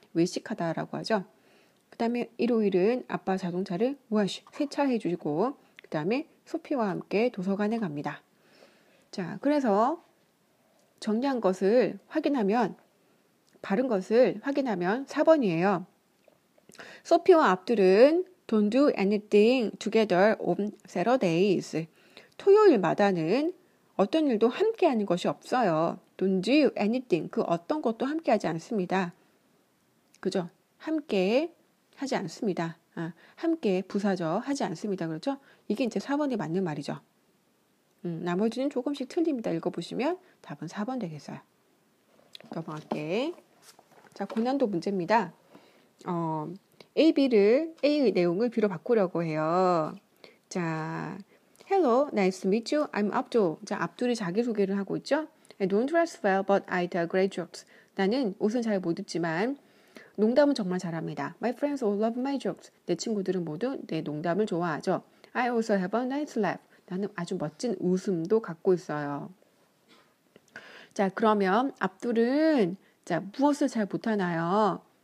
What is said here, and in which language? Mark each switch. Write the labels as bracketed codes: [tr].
[ko] 외식하다라고 하죠. 그 다음에 일요일은 아빠 자동차를 wash 세차해 주시고 그 다음에 소피와 함께 도서관에 갑니다. 자, 그래서 정리한 것을 확인하면 바른 것을 확인하면 4번이에요. 소피와 압둘은 [en] don't do anything together on Saturdays. [ko] 토요일마다는 어떤 일도 함께 하는 것이 없어요. [en] Don't do anything. [ko] 그 어떤 것도 함께 하지 않습니다. 그죠? 함께 하지 않습니다. 아, 함께 부사죠. 하지 않습니다. 그렇죠? 이게 이제 4번이 맞는 말이죠. 나머지는 조금씩 틀립니다. 읽어보시면 답은 4번 되겠어요. 넘어갈게. 자, 고난도 문제입니다. A의 내용을 B로 바꾸려고 해요. [en] 자, Hello, nice to meet you. I'm Abdul. [ko] 자, 압둘이 자기소개를 하고 있죠? [en] I don't dress well, but I do great jokes. [ko] 나는 옷은 잘 못 입지만 농담은 정말 잘합니다. [en] My friends all love my jokes. [ko] 내 친구들은 모두 내 농담을 좋아하죠. [en] I also have a nice laugh. [ko] 나는 아주 멋진 웃음도 갖고 있어요. 자, 그러면 압둘은 자, 무엇을 잘 못하나요?